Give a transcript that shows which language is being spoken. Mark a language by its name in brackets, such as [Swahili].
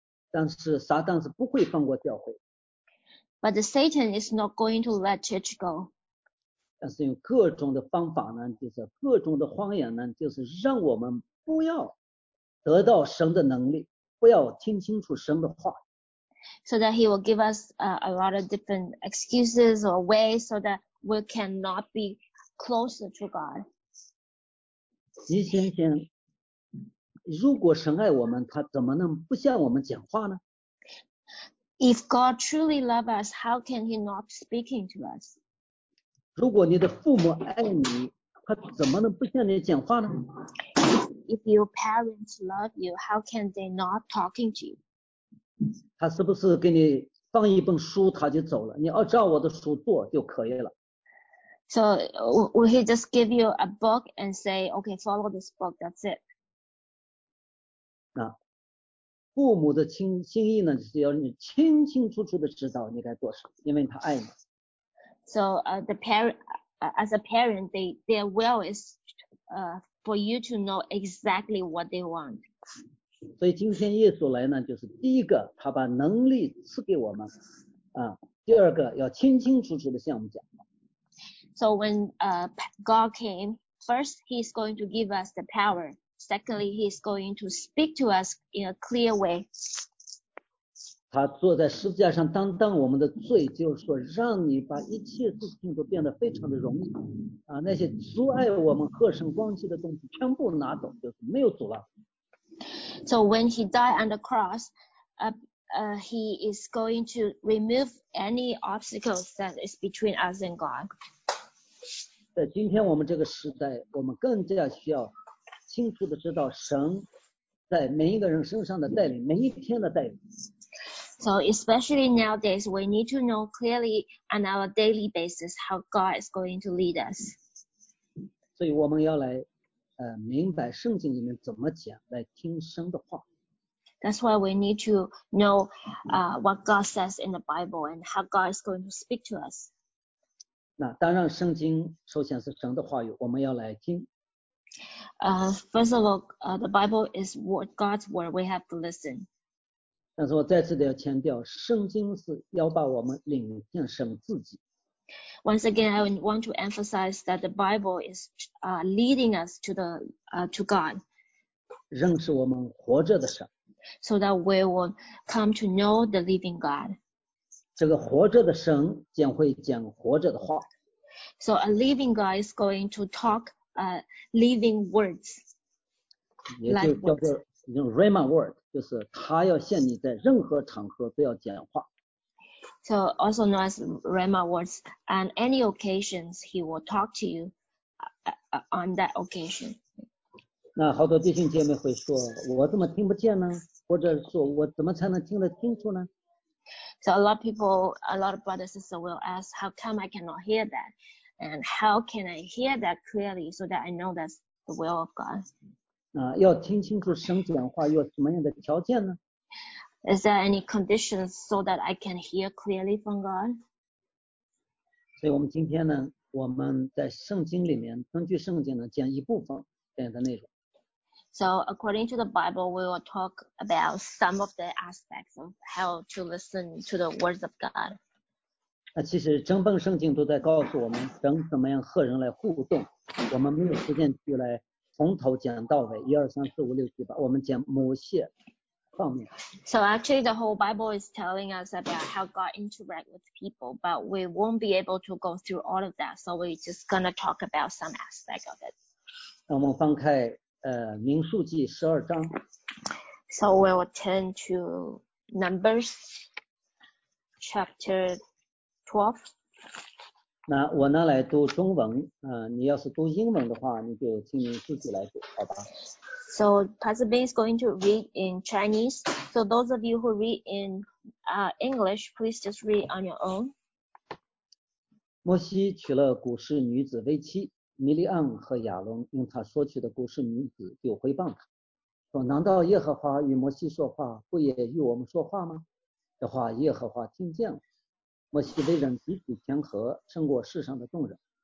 [Chinese] 但是撒旦是不会放过教会。 [English] But the Satan is not going to let church go. [Chinese] 但是用各种的方法呢，就是各种的谎言呢，就是让我们不要得到神的能力，不要听清楚神的话。 [English] So that he will give us a lot of different excuses or ways so that we cannot be closer to God. [Chinese] 你想想，如果神爱我们，他怎么能不向我们讲话呢？ [English] If God truly loves us, how can he not speaking to us? [Chinese] 如果你的父母爱你，他怎么能不向你讲话呢？ [English] If your parents love you, how can they not talking to you? [Chinese] 他是不是给你放一本书他就走了，你要照我的书做就可以了。 [English] So will he just give you a book and say, okay, follow this book, that's it? [Chinese] 那父母的心意呢，就是要你清清楚楚的知道你该做什么，因为他爱你。 [English] So as a parent, their will is for you to know exactly what they want. [Chinese] 所以今天耶稣来呢，就是第一个，他把能力赐给我们，啊，第二个要清清楚楚的向我们讲。 [English] So when God came, first he's going to give us the power. Secondly, he's going to speak to us in a clear way. [Chinese] 他坐在十字架上担当我们的罪，就是说让你把一切事情都变得非常的容易啊，那些阻碍我们和神关系的东西全部拿走，就是没有阻拦。 [English] So when he died on the cross, he is going to remove any obstacles that is between us and God. [Chinese] 在今天我们这个时代，我们更加需要清楚的知道神在每一个人身上的带领，每一天的带领。 [English] So especially nowadays, we need to know clearly on our daily basis how God is going to lead us. [Chinese] 所以我们要来明白圣经里面怎么讲，来听神的话。 [English] That's why we need to know what God says in the Bible and how God is going to speak to us. [Chinese] 那当然圣经首先是神的话语，我们要来听。 [English] First of all, the Bible is what God's word, we have to listen. [Chinese] 但是我再次的要强调，圣经是要把我们领向神自己。 [English] Once again, I want to emphasize that the Bible is leading us to the to God. [Chinese] 认识我们活着的神。 [English] So that we will come to know the living God. [Chinese] 这个活着的神将会讲活着的话。 [English] So a living God is going to talk living words. [Chinese] 也就叫做用 Rhema word。就是他要向你在任何场合都要讲话。 [English] So also known as Rhema words, on any occasions he will talk to you on that occasion. [Chinese] 那好多弟兄姐妹会说，我怎么听不见呢？或者说我怎么才能听得清楚呢？ [English] So a lot of people, a lot of brothers and sisters will ask, how come I cannot hear that? And how can I hear that clearly so that I know that's the will of God? [Chinese] 要听清楚神讲话有什么样的条件呢？ [English] Is there any conditions so that I can hear clearly from God? [Chinese] 所以我们今天呢，我们在圣经里面根据圣经呢讲一部分这样的内容。 [English] So according to the Bible, we will talk about some of the aspects of how to listen to the words of God. [Chinese] 那其实整本圣经都在告诉我们怎么样和人来互动，我们没有时间去来从头讲到尾，一二三四五六七八，我们讲某些方面。 [English] So actually, the whole Bible is telling us about how God interacts with people, but we won't be able to go through all of that. So we're just gonna talk about some aspect of it. [Chinese] 那我们翻开民数记十二章。 [English] So we'll turn to Numbers chapter 12. [Chinese] 那我呢来读中文，你要是读英文的话，你就请你自己来读，好吧 [English] ？So Pastor Ben is going to read in Chinese. So those of you who read in English, please just read on your own. [Chinese] 摩西娶了古示女子为妻，米利暗和亚伦用他说去的故事女子就回谤他，说难道耶和华与摩西说话不也与我们说话吗？这话耶和华听见了。摩西为人极其谦和，胜过世上的众人。